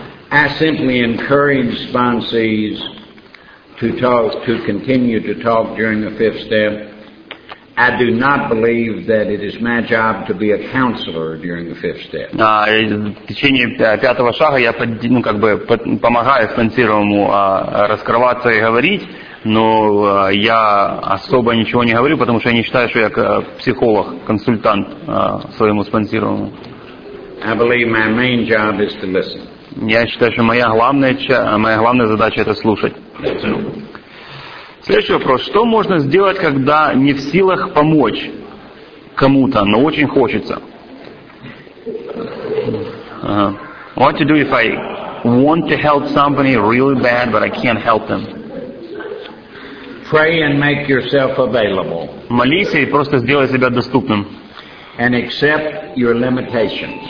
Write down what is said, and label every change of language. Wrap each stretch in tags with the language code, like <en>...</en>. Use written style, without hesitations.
<en>I simply encourage sponsees to continue to talk during the fifth step. I do not believe that it is my job to be a counselor during the fifth step.</en> <ru>В течение пятого шага я помогаю спонсируемому раскрываться и говорить. Но я особо ничего не говорю, потому что я не считаю, что я психолог, консультант своему спонсируемому.</ru> <en>I believe my main job is to listen.</en> <ru>Я считаю, что моя главная задача – это слушать. Следующий вопрос. Что можно сделать, когда не в силах помочь кому-то, но очень хочется?</ru> <en>What to do if I want to help somebody really bad, but I can't help them? Pray and make yourself available.</en> <ru>Молись и просто сделай себя доступным.</ru> <en>And accept your limitations.</en>